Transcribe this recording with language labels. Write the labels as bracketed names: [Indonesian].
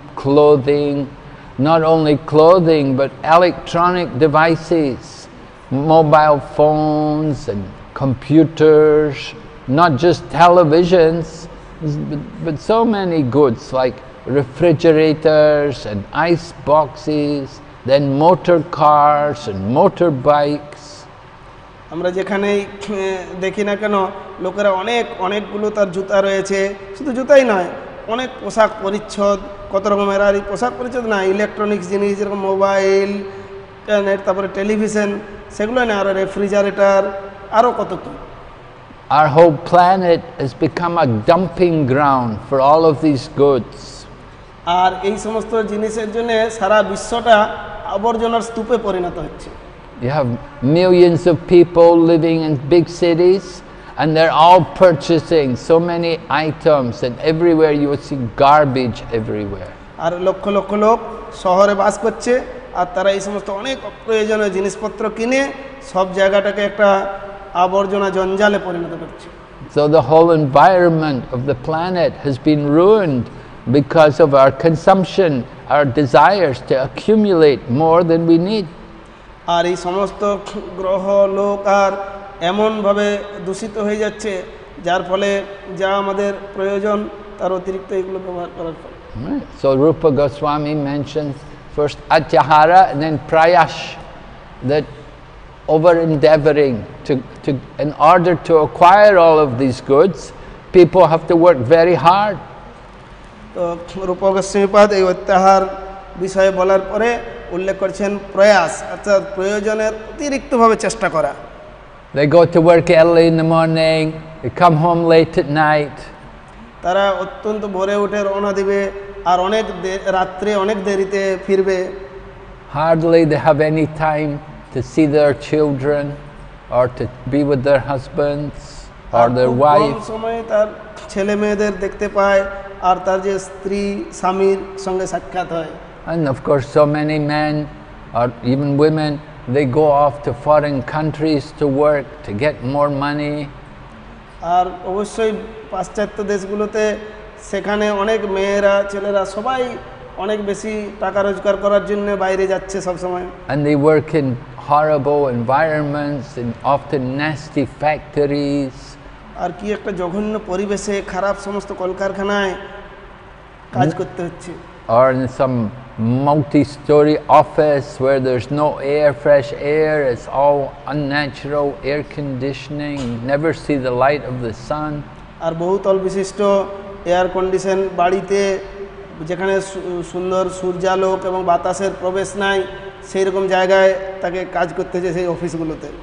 [English] clothing, not only clothing, but electronic devices, mobile phones and computers, not just televisions, but so many goods like refrigerators and ice boxes, then motor cars and motor bikes. [Bangla] আমরা যেখানে দেখি না কেন লোকেরা অনেক অনেকগুলো তার জুতা রয়েছে, শুধু জুতাই নয়, অনেক পোশাক পরিচ্ছদ, কত রকমের আর পোশাক পরিচ্ছদ না, ইলেকট্রনিক্স জিনিস যেরকম মোবাইল, ইন্টারনেট, তারপরে টেলিভিশন, সেগুলো না আরো রেফ্রিজারেটর, আরো কত কি। [English] Our whole planet has become a dumping ground for all of these goods. [Bangla] আর এই সমস্ত জিনিসের জন্য সারা বিশ্বটা আবর্জনার স্তূপে পরিণত হচ্ছে। [English] You have millions of people living in big cities and they're all purchasing so many items, and everywhere you will see garbage everywhere. [Bangla] আর লক্ষ লক্ষ লোক শহরে বাস করছে আর তারা এই সমস্ত অনেক অপ্রয়োজনীয় জিনিসপত্র কিনে সব জায়গাটাকে একটা আবর্জনা জঞ্জালে পরিণত করছে। [English] So the whole environment of the planet has been ruined because of our consumption, our desires to accumulate more than we need. [Bangla] আর এই সমস্ত গ্রহ লোক আর এমন ভাবে দূষিত হয়ে যাচ্ছে যার ফলে যা আমাদের প্রয়োজন তার অতিরিক্ত এগুলো ব্যবহার করার ফলে। [English] So Rupa Goswami mentions first atyahara and then prayash, that over endeavoring to in order to acquire all of these goods, people have to work very hard. [Bangla] তো রূপক গোস্বামী পাদ এই অত্যাহার বিষয়ে বলার পরে উল্লেখ করছেন প্রয়াস, অর্থাৎ প্রয়োজনের অতিরিক্ত ভাবে চেষ্টা করা। [English] They go to work early in the morning, they come home late at night. [Bangla] তারা অত্যন্ত ভোরে উঠে রওনা দিবে আর অনেক রাত্রে অনেক দেরিতে ফিরবে। [English] Hardly they have any time to see their children or to be with their husbands or their wife. [Bangla] সময় তার ছেলে মেয়েদের দেখতে পায় আর তার যে স্ত্রী স্বামীর সঙ্গে সাক্ষাৎ হয়। [English] And of course so many men or even women, they go off to foreign countries to work to get more money. [Bangla] আর অবশ্যই পাশ্চাত্য দেশগুলোতে সেখানে অনেক মেয়েরা ছেলেরা সবাই অনেক বেশি টাকা রোজগার করার জন্য বাইরে যাচ্ছে সব সময়। [English] And they work in horrible environments, in often nasty factories. [Bangla] আর কি একটা জঘন্য পরিবেশে খারাপ সমস্ত কলকারখানায় কাজ করতে হচ্ছে। [English] Or in some multi-story office where there's no air, fresh air, it's all unnatural air conditioning, never see the light of the sun. [Bangla] আর বহুতল বিশিষ্ট এয়ার কন্ডিশন বাড়িতে যেখানে সুন্দর সূর্যালোক এবং বাতাসের প্রবেশ নাই সেই রকম জায়গায় তাকে কাজ করতে হয় সেই অফিসগুলোতে।